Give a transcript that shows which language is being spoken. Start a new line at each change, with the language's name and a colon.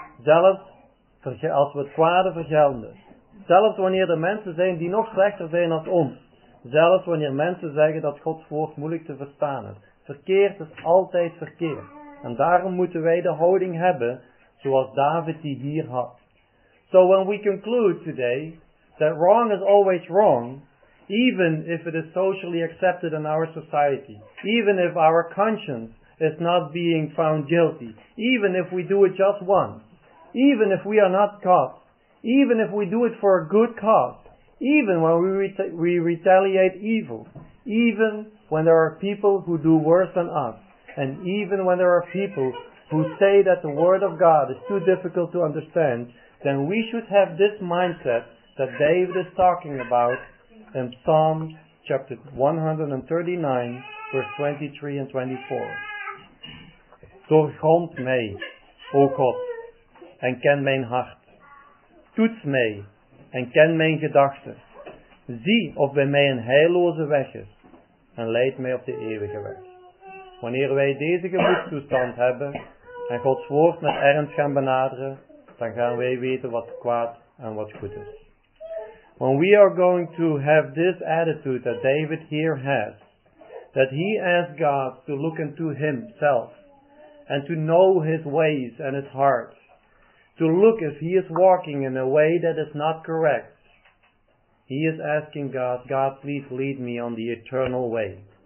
Dutch: Zelfs als we het kwade vergelden. Zelfs wanneer er mensen zijn die nog slechter zijn dan ons. Zelfs wanneer mensen zeggen dat Gods woord moeilijk te verstaan is. Verkeerd is altijd verkeerd. En daarom moeten wij de houding hebben zoals David die hier had.
English: So when we conclude today that wrong is always wrong, even if it is socially accepted in our society, even if our conscience is not being found guilty, even if we do it just once, even if we are not caught, even if we do it for a good cause, even when we retaliate evil, even when there are people who do worse than us, and even when there are people who say that the word of God is too difficult to understand, then we should have this mindset that David is talking about in Psalm chapter 139, verse 23 and 24.
Dutch: Doorgrond mij, O God, en ken mijn hart. Toets mij, en ken mijn gedachten. Zie of bij mij een heilloze weg is, en leid mij op de eeuwige weg. Wanneer wij deze gemoedstoestand hebben, en Gods woord met ernst gaan benaderen, dan gaan wij weten wat kwaad en wat goed is.
English: When we are going to have this attitude that David here has, that he asked God to look into himself, and to know his ways and his heart, to look if he is walking in a way that is not correct, he is asking God, God, please lead me on the eternal way.